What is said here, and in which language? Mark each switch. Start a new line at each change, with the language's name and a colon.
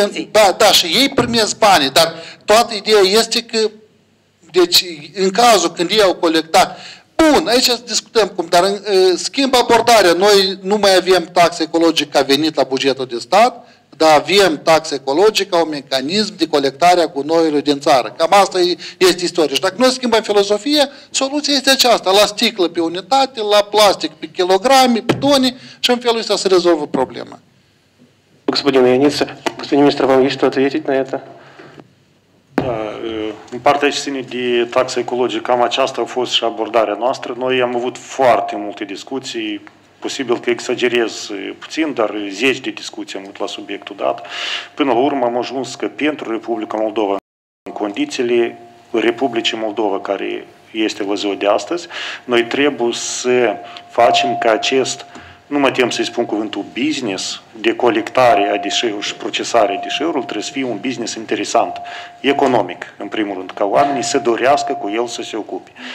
Romanian: păi da, și ei primesc banii, dar toată ideea este că deci, în cazul când ei au colectat, bun, aici discutăm cum, dar schimb abordarea, noi nu mai avem taxă ecologică ca venit la bugetul de stat, dar avem taxă ecologică ca un mecanism de colectare a gunoiului din țară. Cam asta este istoria. Și dacă noi schimbăm filozofia, soluția este aceasta, la sticlă pe unitate, la plastic pe kilograme, pe tone, și în felul ăsta se rezolvă problema.
Russian: Господин Яница, господин министр, вам есть что ответить на это? Да,
Romanian: În partea ce ține de taxa ecologică, cam aceasta a fost și abordarea noastră. Noi am avut foarte multe discuții, posibil că exagerez puțin, dar zeci de discuții am avut la subiectul dat. Până la urmă am ajuns că pentru Republica Moldova, în condițiile Republicii Moldova, care este la ziua de astăzi, noi trebuie să facem ca acest, nu mă tem să-i spun cuvântul, business de colectare a deșeurilor și procesare a deșeurilor, trebuie să fie un business interesant, economic, în primul rând, ca oamenii să dorească cu el să se ocupe.